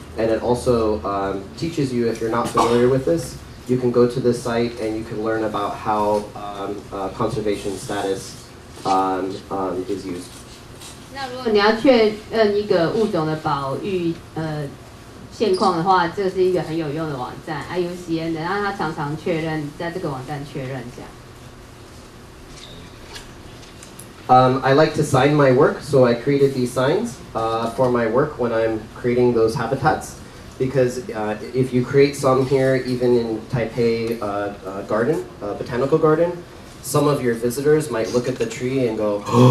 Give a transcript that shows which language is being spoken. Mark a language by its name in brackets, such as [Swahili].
[English] And it also teaches you, if you're not familiar with this, you can go to this site and you can learn about how conservation status is used. [Chinese] 那如果你要确认一个物种的保育现况的话，这是一个很有用的网站 IUCN 的，然后它常常确认在这个网站确认这样。 [English] I like to sign my work, so I created these signs for my work when I'm creating those habitats, because if you create some here, even in Taipei garden, botanical garden, some of your visitors might look at the tree and go.